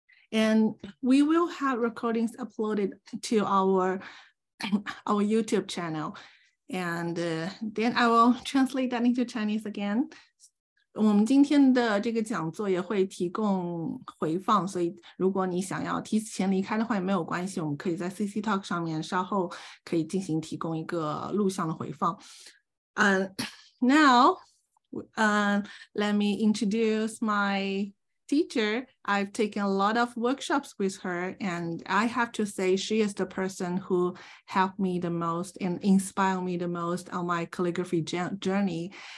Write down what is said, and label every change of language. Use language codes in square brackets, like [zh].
[en] And we will have recordings uploaded to our YouTube channel. And then I will translate that into Chinese again. [zh] 我们今天的这个讲座也会提供回放, 所以如果你想要提前离开的话, 也没有关系, 我们可以在CC Talk上面, 稍后可以进行提供一个录像的回放。 [en] Now, let me introduce my teacher. I've taken a lot of workshops with her, and I have to say she is the person who helped me the most and inspired me the most on my calligraphy journey.